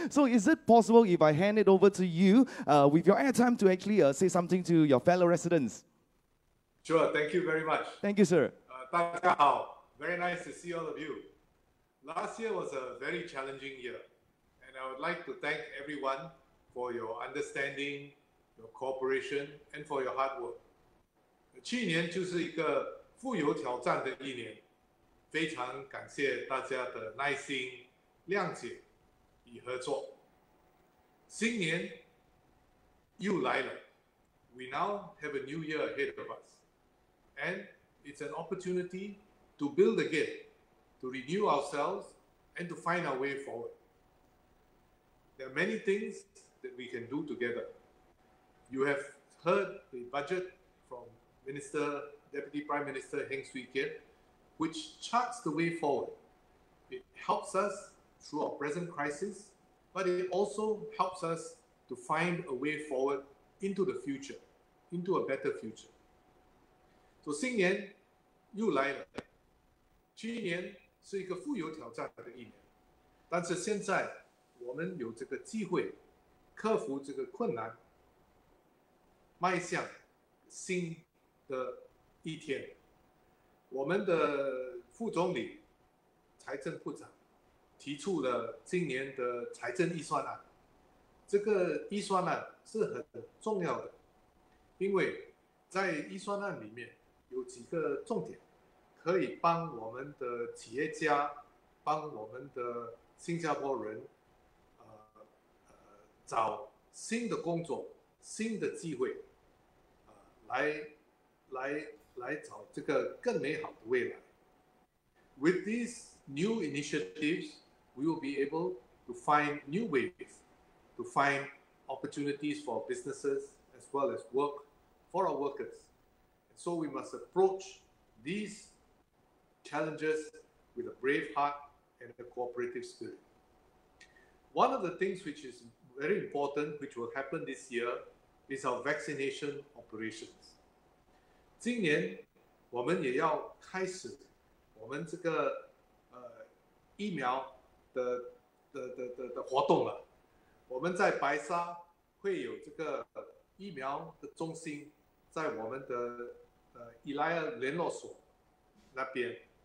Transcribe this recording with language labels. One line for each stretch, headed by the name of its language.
English: So is it possible if I hand it over to you with your airtime to actually say something to your fellow residents? Sure. Thank you very much. Thank you, sir.
Chinese: 大家好.
English: Very nice to see all of you. Last year was a very challenging year. And I would like to thank everyone for your understanding,your cooperation, and for your hard work.
Chinese: 去年就是一个富有挑战的一年，非常感谢大家的耐心、谅解与合作。新年又来了，
English: We now have a new year ahead of us. And it's an opportunity to build again, to renew ourselves, and to find our way forward. There are many things that we can do together. You have heard the budget from Minister, Deputy Prime Minister Heng Swee Keat, which charts the way forward. It helps us through our present crisis, but it also helps us to find a way forward into the future, into a better future.
Chinese: So, 新年又来了。去年是一个富有挑战的一年，但是现在我们有这个机会克服这个困难，迈向新的一天。我们的副总理、财政部长提出了今年的财政预算案，这个预算案是很重要的，因为在预算案里面有几个重点可以帮我们的企业家，帮我们的新加坡人找新的工作、新的机会，来找这个更美好的未来。
English: With these new initiatives, we will be able to find new ways to find opportunities for businesses as well as work for our workers. So we must approach these challenges with a brave heart and a cooperative spirit. One of the things which is very important, which will happen this year, is our vaccination operations.
Chinese: 今年我们也要开始我们这个疫苗的活动了。我们在白沙会有这个疫苗的中心，在我们的伊莱尔联络所那边。